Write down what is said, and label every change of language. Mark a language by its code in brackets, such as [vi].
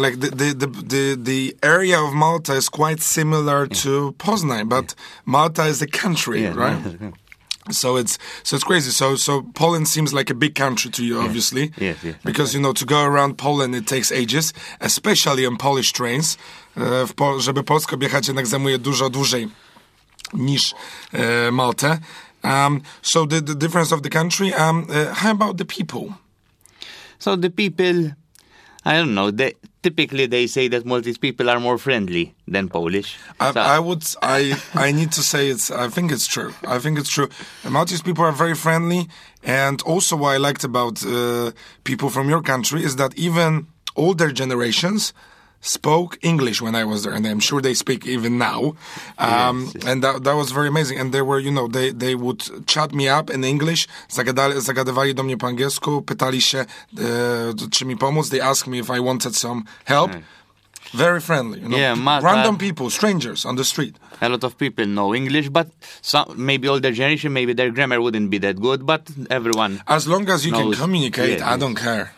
[en] Like the area of Malta is quite similar to Poznan, but Malta is a country, right? So it's crazy. So Poland seems like a big country to you, obviously. Yes, yes. Because, you know, to go around Poland, it takes ages, especially on Polish trains. [pl] Żeby Polsko objechać, jednak zajmuje dużo dłużej niż Malta. [en] So the difference of the country. How about the people? So the people, I don't know, typically they say that Maltese people are more friendly than Polish. I need to say it's. I think it's true. Maltese people are very friendly. And also what I liked about people from your country is that even older generations spoke English when I was there. And I'm sure they speak even now. And that was very amazing. And they were, you know, they would chat me up in English. [pl] Zagadywali do mnie po angielsku. Pytali się, czy mi pomóc. [en] They asked me if I wanted some help. Very friendly. You know, Malta, random people, strangers on the street. A lot of people know English, but some, maybe older generation, maybe their grammar wouldn't be that good. But everyone As long as you knows. Can communicate, I don't care.